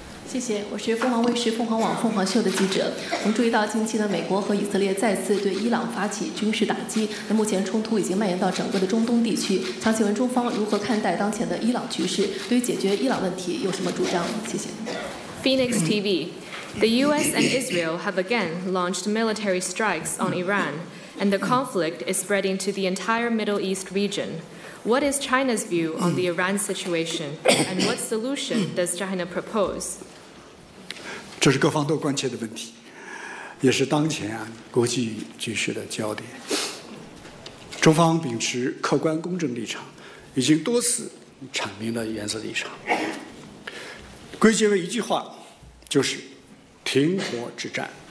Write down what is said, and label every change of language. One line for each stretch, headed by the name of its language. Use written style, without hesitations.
Chinese: 谢谢，我是凤凰卫视凤凰网凤凰秀的记者。我们注意到近期呢，美国和以色列再次对伊朗发起军事打击，那目前冲突已经蔓延到整个的中东地区，想请问中方如何看待当前的伊朗局势，对于解决伊朗问题有什么主张？谢谢。
English: Phoenix TV. The US and Israel have again launched military strikes on Iran, and the conflict is spreading to the entire Middle East region. What is China's view on the Iran situation, and what solution does China propose?
Chinese: 这是各方都关切的问题，也是当前国际局势的焦点。中方秉持客观公正立场，已经多次阐明了原则立场，归结为一句话，就是停火止战。